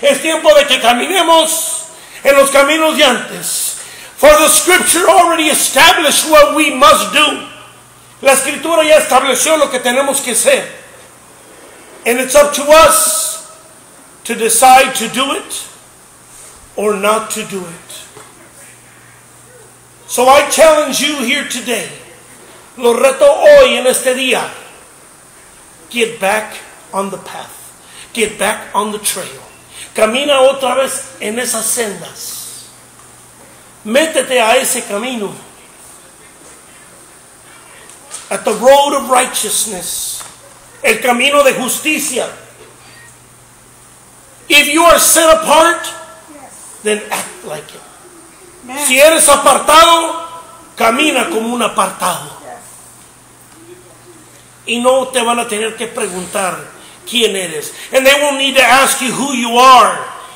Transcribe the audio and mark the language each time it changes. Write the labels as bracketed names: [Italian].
[Spanish] Es tiempo de que caminemos en los caminos de antes. [English] For the scripture already established what we must do. [Spanish] La escritura ya estableció lo que tenemos que hacer. [English] And it's up to us to decide to do it or not to do it. So I challenge you here today. [Spanish] Lo reto hoy en este día. [English] Get back on the path. Get back on the trail. [Spanish] Camina otra vez en esas sendas. Métete a ese camino. [English] At the road of righteousness. [Spanish] El camino de justicia. [English] If you are set apart, then act like it. [Spanish] Si eres apartado, camina como un apartado. Y no te van a tener que preguntar quién eres. [English] And they won't need to ask you who you are.